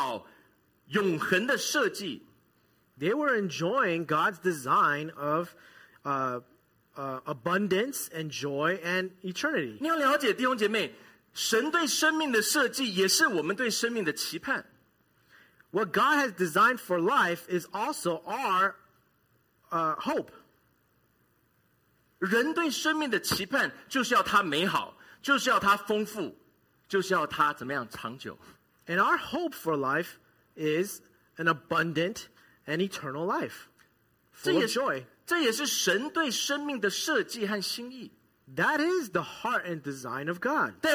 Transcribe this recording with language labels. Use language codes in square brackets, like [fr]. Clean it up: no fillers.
[zh] 他们享受着神对生命的丰富、美好、永恒的设计, [en] they were enjoying God's design of abundance and joy and eternity. [zh] 你要了解弟兄姐妹, 神对生命的设计也是我们对生命的期盼。 [en] What God has designed for life is also our hope. [zh] 人对生命的期盼就是要它美好，就是要它丰富，就是要它怎么样长久。 [en] And our hope for life is an abundant and eternal life. Full of joy. [zh] 这也是神对生命的设计和心意。 [en] That is the heart and design of God.